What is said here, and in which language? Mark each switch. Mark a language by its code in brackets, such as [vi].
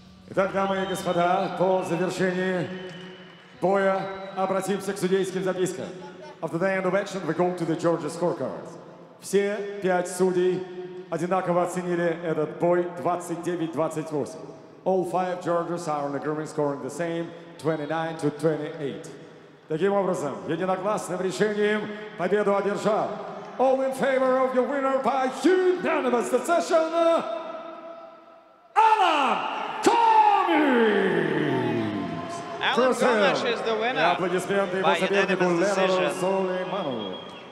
[ru] Итак, дамы и господа, по завершении боя обратимся к судейским запискам. [en] After the end of action, we go to the judges' scorecards. [ru] Все пять судей одинаково оценили этот бой 29-28. [en] All five judges are on agreement scoring the same 29-28. [ru] Таким образом, единогласным решением победу одержал. [en] All in favor of your winner by unanimous decision, Алан! Alan Gomes is the winner by unanimous decision.